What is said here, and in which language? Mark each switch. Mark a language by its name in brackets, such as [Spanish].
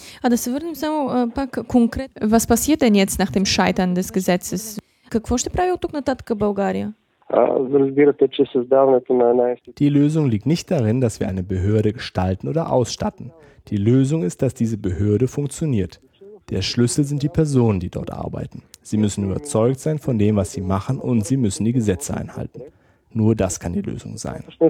[Bulgarian] Да се върнем само пак конкретно. [German] Was passiert denn jetzt nach dem Scheitern des Gesetzes? [Bulgarian] Какво ще прави от тук нататък България? Разбирате, че създаването на една [German] Die Lösung liegt nicht darin, dass wir eine Behörde gestalten oder ausstatten. Die Lösung ist, dass diese Behörde funktioniert. Der Schlüssel sind die Personen, die dort arbeiten. Sie müssen überzeugt sein von dem, was sie machen und sie müssen die Gesetze einhalten. Nur das kann die Lösung sein.